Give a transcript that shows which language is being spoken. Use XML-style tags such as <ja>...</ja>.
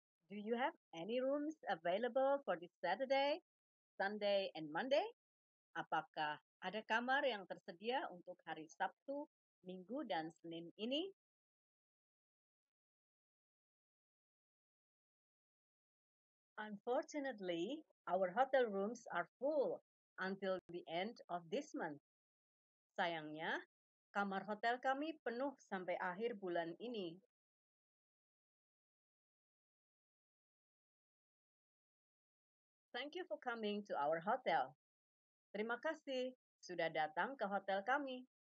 <en>Do you have any rooms available for this Saturday, Sunday, and Monday?</en> <id>Apakah ada kamar yang tersedia untuk hari Sabtu, Minggu, dan Senin ini?</id> <en>Unfortunately, our hotel rooms are full until the end of this month.</en> <id>Sayangnya, kamar hotel kami penuh sampai akhir bulan ini.</id> <en>Thank you for coming to our hotel.</en> <id>Terima kasih sudah datang ke hotel kami.</id>